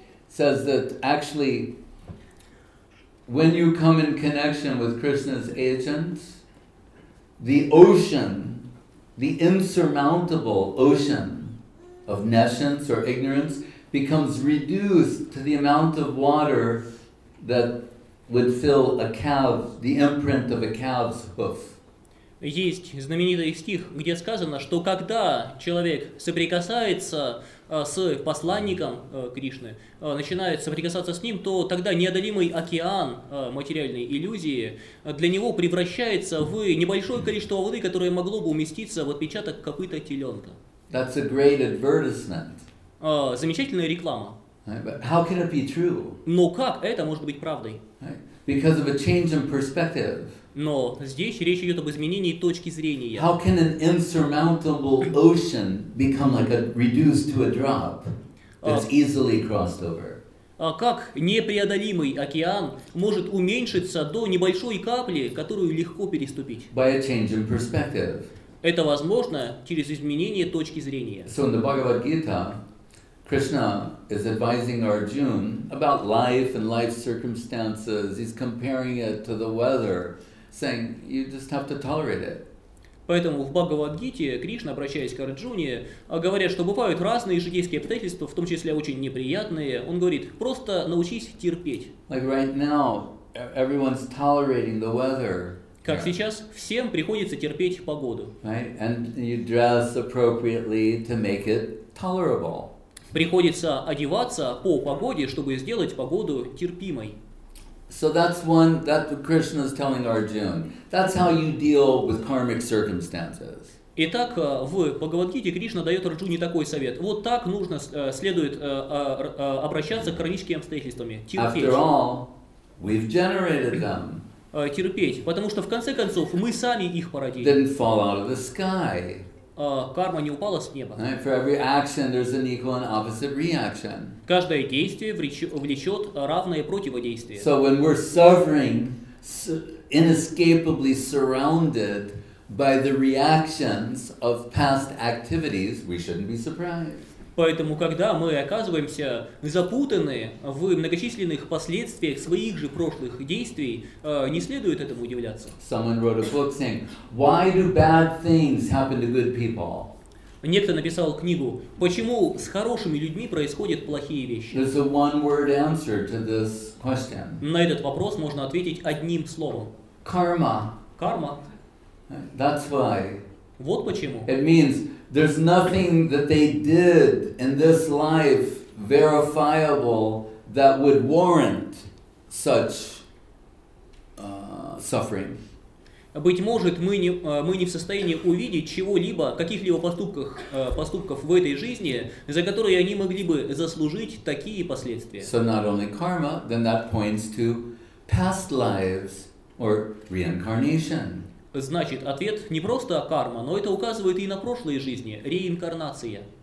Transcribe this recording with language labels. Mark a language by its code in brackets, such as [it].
[en] Says that actually, when you come in connection with Krishna's agents, the ocean, the insurmountable ocean of nescience or ignorance, becomes reduced to the amount of water that would fill a calf, the imprint of a calf's hoof. [ru] Есть знаменитый стих, где сказано, что когда человек соприкасается с посланником Кришны, начинает соприкасаться с ним, то тогда неодолимый океан материальной иллюзии для него превращается в небольшое количество воды, которое могло бы уместиться в отпечаток копыта теленка. [en] That's a great advertisement. [ru] Замечательная реклама. [en] But how can it be true? [ru] Но как это может быть правдой? [en] Because of a change in perspective. [ru] Но здесь речь идет об изменении точки зрения. [en] How can an insurmountable ocean become like a reduced to a drop that's easily crossed over? [ru] Как непреодолимый океан может уменьшиться до небольшой капли, которую легко переступить? [en] By a change in perspective. [ru] Это возможно через изменение точки зрения. [en] So in the Bhagavad-gita, Krishna is advising Arjuna about life and life circumstances. He's comparing it to the weather. saying you just have to tolerate it. [ru] Поэтому в Бхагавад-гите Кришна, обращаясь к Арджуне, говорит, что бывают разные житейские обстоятельства, в том числе очень неприятные. Он говорит: просто научись терпеть. [en] Like right now, everyone's tolerating the weather. [ru] Как сейчас, всем приходится терпеть погоду. [en] Right? And you dress appropriately to make it tolerable. [ru] Приходится одеваться по погоде, чтобы сделать погоду терпимой. [en] So that's one that Krishna is telling Arjuna. That's how you deal with karmic circumstances. [ru] Итак, в Бхагавад-гите Кришна дает Арджуне такой совет. Вот так нужно следует обращаться к кармическим обстоятельствам. Терпеть. [en] After all, we've generated them. [ru] Терпеть, потому что в конце концов мы сами их породили. [en] Didn't fall out of the sky. [ru] Карма не упала с неба. [en] Right? For every action, there's an equal and opposite reaction. [ru] Каждое действие влечет равное противодействие. [en] So when we're suffering, inescapably surrounded by the reactions of past activities, we shouldn't be surprised. [ru] Поэтому, когда мы оказываемся запутаны в многочисленных последствиях своих же прошлых действий, не следует этому удивляться. [en] Someone wrote a book saying, why do bad things happen to good people? [ru] Некто написал книгу, почему с хорошими людьми происходят плохие вещи. [en] There's a one-word answer to this question. [ru] На этот вопрос можно ответить одним словом. Карма. Карма. [en] That's why. [ru] Вот почему. [en] It means there's nothing that they did in this life verifiable that would warrant such suffering. [ru] Быть может, мы не в состоянии увидеть чего-либо, каких-либо поступков в этой жизни, за которые они могли бы заслужить такие последствия. [en] So not only karma, then that points to past lives or reincarnation. [ru] Значит, ответ не просто карма, но это указывает и на прошлые жизни, реинкарнация.